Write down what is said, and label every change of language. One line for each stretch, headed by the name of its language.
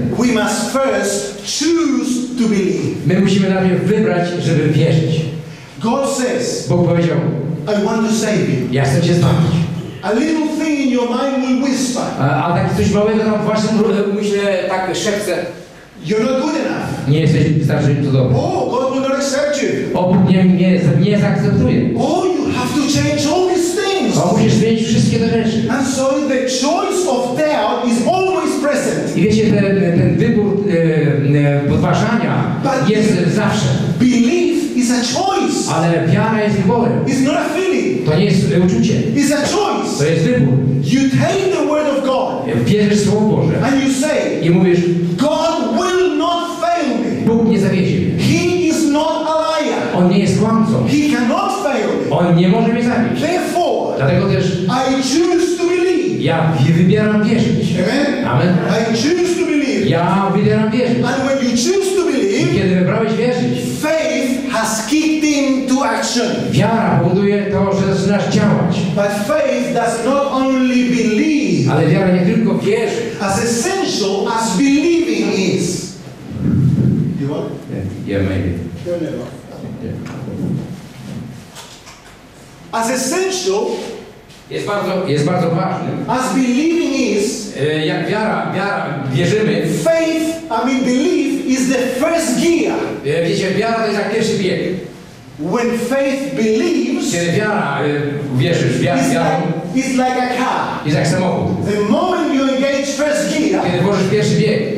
English: we must first choose to believe.
Polish: My musimy najpierw wybrać, żeby wierzyć.
English: God says,
Polish: Bóg powiedział,
English: I want to save you.
Polish: Ja chcę cię zbawić.
English: A little thing in your mind will whisper.
Polish: A tak coś małego tam w waszym umyśle tak szepce.
English: You're not good enough.
Polish: Nie jesteś wystarczająco dobry.
English: Oh, God will not accept you.
Polish: O, Bóg nie zaakceptuje.
English: Oh, you have to change all these things.
Polish: O, musisz zmienić wszystkie te rzeczy.
English: And so the choice of doubt is always present.
Polish: I wiecie, ten wybór podważania jest zawsze.
English: Belief is a choice.
Polish: Ale wiara jest wyborem.
English: It's not a feeling.
Polish: To nie jest uczucie.
English: It's a choice.
Polish: To jest wybór.
English: You take the word of God.
Polish: Wierzysz w Słowo Boże.
English: And you say,
Polish: i mówisz,
English: God will not fail me.
Polish: Bóg nie zawiedzie mnie.
English: He is not a liar.
Polish: On nie jest kłamcą.
English: He cannot fail me.
Polish: On nie może mnie zawieść.
English: Therefore,
Polish: dlatego też
English: I choose to believe.
Polish: Ja wybieram wierzyć.
English: Amen. I choose to believe.
Polish: Ja wybieram wierzyć.
English: And when you choose to believe,
Polish: i kiedy wybrałeś wierzyć,
English: faith has kicked into action.
Polish: Wiara powoduje to, że zaczynasz działać.
English: But faith does not only believe.
Polish: Ale wiara nie tylko wierzy.
English: As essential as believing is. You want? Yeah, maybe. You're never. As essential.
Polish: Jest bardzo ważne.
English: As believing is.
Polish: Jak wiara, wierzymy.
English: Faith, I mean belief, is the first gear.
Polish: Wiecie, wiara to jest jak pierwszy bieg.
English: When faith believes,
Polish: kiedy wiara wierzysz,
English: it's like a car.
Polish: Jest jak samochód.
English: The moment you engage first gear,
Polish: kiedy włożysz pierwszy bieg,